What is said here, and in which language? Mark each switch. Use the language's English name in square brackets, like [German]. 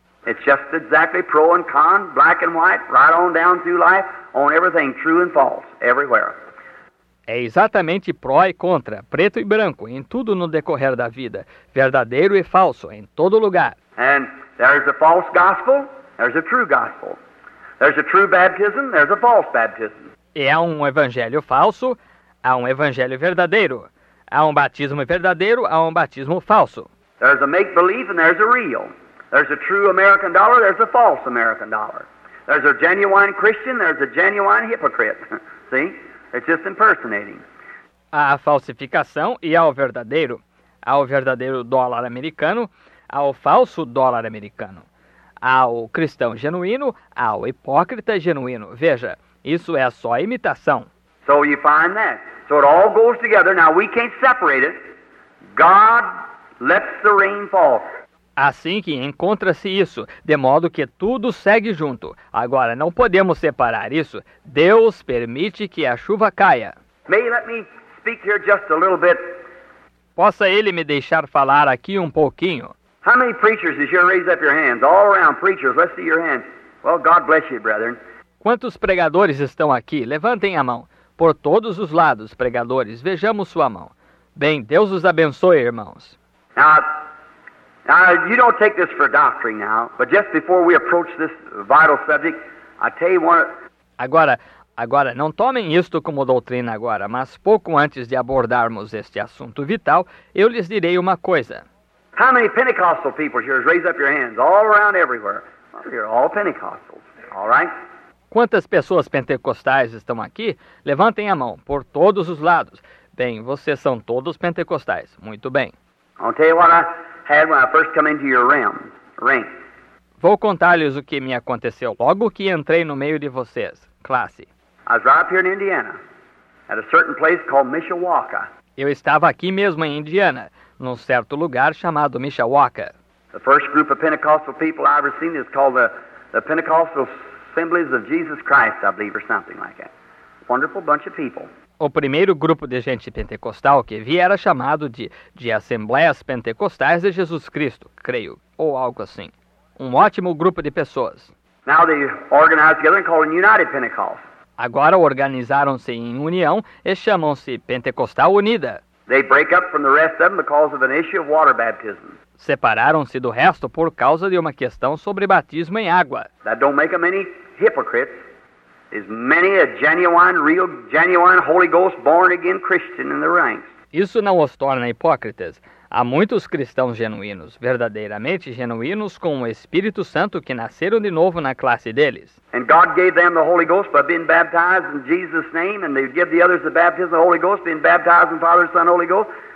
[English] It's just exactly pro and con, black and white, right on down through life, on everything, true and false, everywhere. [Portuguese] É exatamente pró e contra, preto e branco, em tudo no decorrer da vida, verdadeiro e falso, em todo lugar. [English] And there's a false gospel, there's a true gospel. There's a true baptism, there's a false baptism. [Portuguese] E há um evangelho falso, há um evangelho verdadeiro. Há um batismo verdadeiro, há um batismo falso. [English] There's a make-believe and there's a real. There's a true American dollar, there's a false American dollar. There's a genuine Christian, there's a genuine hypocrite. See? It's just impersonating. [Portuguese] Há a falsificação e há o verdadeiro. Há o verdadeiro dólar americano, há o falso dólar americano. Há o cristão genuíno, há o hipócrita genuíno. Veja, isso é só imitação. [English] So you find that. So it all goes together. Now we can't separate it. God lets the rain fall. [Portuguese] Assim que encontra-se isso, de modo que tudo segue junto. Agora, não podemos separar isso. Deus permite que a chuva caia. [English] May you let me speak here just a little bit? [Portuguese] Possa ele me deixar falar aqui um pouquinho? [English] How many preachers is here? Raise up your hands. All around, preachers, let's see your hands. Well, God bless you, brethren. [Portuguese] Quantos pregadores estão aqui? Levantem a mão. Por todos os lados, pregadores, vejamos sua mão. Bem, Deus os abençoe, irmãos. [English] Now, you don't take this for doctrine now, but just before we approach this vital subject, I tell you one... [Portuguese] Agora, não tomem isto como doutrina agora, mas pouco antes de abordarmos este assunto vital, eu lhes direi uma coisa. [English] How many Pentecostal people here? Raise up your hands, all around everywhere. Well, you're all Pentecostals, all right? [Portuguese] Quantas pessoas pentecostais estão aqui? Levantem a mão, por todos os lados. Bem, vocês são todos pentecostais. Muito bem. [English] I'll tell you what I had when I first come into your realm. [Portuguese] Vou contar-lhes o que me aconteceu logo que entrei no meio de vocês. Classe. [English] I was right up here in Indiana, at a certain place called Mishawaka. [Portuguese] Eu estava aqui mesmo em Indiana, num certo lugar chamado Mishawaka. [English] The first group of Pentecostal people I ever seen is called the Pentecostal Assemblies of Jesus Christ, I believe, or something like that. Wonderful bunch of people. [Portuguese] O primeiro grupo de gente pentecostal que vi era chamado de Assembleias Pentecostais de Jesus Cristo, creio, ou algo assim. Um ótimo grupo de pessoas. [English] Now they organized together and called United Pentecost. [Portuguese] Agora organizaram-se em união e chamam-se Pentecostal Unida. [English] They break up from the rest of them because of an issue of water baptism. [Portuguese] Separaram-se do resto por causa de uma questão sobre batismo em água. [English] That don't make them any hypocrites. There's many a genuine, real, genuine Holy Ghost born again Christian in the ranks. [Portuguese] Isso não os torna hipócritas. Há muitos cristãos genuínos, verdadeiramente genuínos, com o Espírito Santo que nasceram de novo na classe deles. [English] And God gave them the Holy Ghost by being baptized in Jesus' name, and they give the others the baptism of the Holy Ghost, being baptized in Father, Son, Holy Ghost.